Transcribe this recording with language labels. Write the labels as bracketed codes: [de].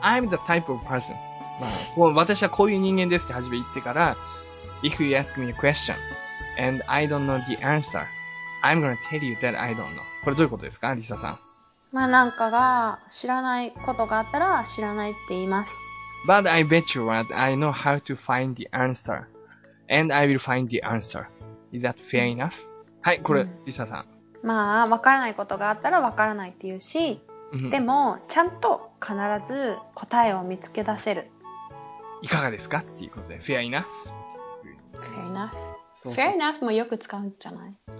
[en] I'm the type of person. [ja] まあ、もう私はこういう人間ですって初め言ってから、 [en] If you ask me a question, and I don't know the answer, I'm gonna tell you that I don't know. [ja] これどういうことですか、リサさん。まあなんかが、知らないことがあったら知らないって言います。 [en] But I bet you that I know how to find the answer, and I will find the answer. Is that fair enough? [ja] はい、これ、うん、リサさん。まあ、わからないことがあったらわからないって言うし、でも、ちゃんと必ず答えを見つけ出せる。いかがですかっていうことで、 [en] fair enough? fair enough? [ja] そうそう fair enough もよく使うんじゃない？